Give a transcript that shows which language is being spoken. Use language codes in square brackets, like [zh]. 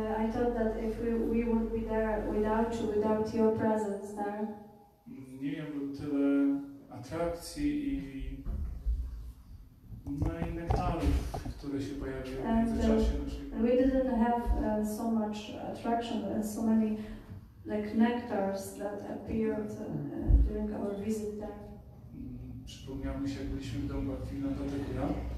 [en] I thought that if we would be there without you, without your presence there. [pl] Nie miałbym tyle atrakcji i metalów, które się pojawiły w międzyczasie. [en] We didn't have so much attraction and so many like nectars that appeared during our visit there. [pl] Przypomniałem się, jak byliśmy w domu Bhaktivinoda Thakura.